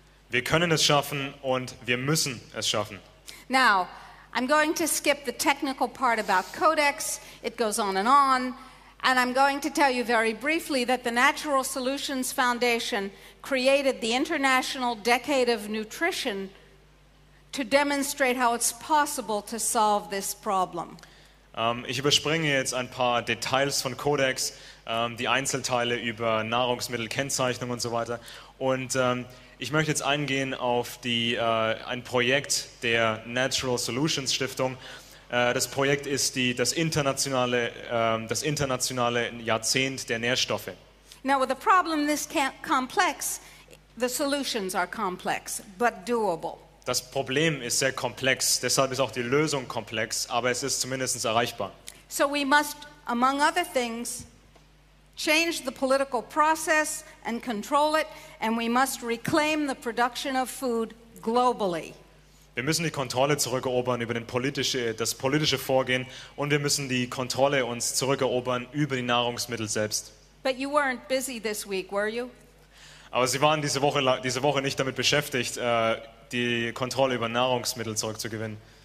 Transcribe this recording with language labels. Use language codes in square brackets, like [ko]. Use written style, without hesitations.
[de] Wir können es schaffen und wir müssen es schaffen. [en] Now, I'm going to skip the technical part about Codex. It goes on. And I'm going to tell you very briefly that the Natural Solutions Foundation created the International Decade of Nutrition to demonstrate how it's possible to solve this problem. [de] Ich überspringe jetzt ein paar Details von Codex, die Einzelteile über Nahrungsmittelkennzeichnung und so weiter. Und ich möchte jetzt eingehen auf ein Projekt der Natural Solutions Stiftung. Das Projekt ist das internationale Jahrzehnt der Nährstoffe. [en] Now with a problem this complex, the solutions are complex, but doable. [de] Das Problem ist sehr komplex, deshalb ist auch die Lösung komplex, aber es ist zumindest erreichbar. [en] So we must, among other things, change the political process and control it, and we must reclaim the production of food globally. [de] Wir müssen die Kontrolle zurückerobern über das politische Vorgehen, und wir müssen die Kontrolle uns zurückerobern über die Nahrungsmittel selbst. [en] But you weren't busy this week, were you? [de] Aber Sie waren diese Woche nicht damit beschäftigt, die Kontrolle über Nahrungsmittel zurückzugewinnen.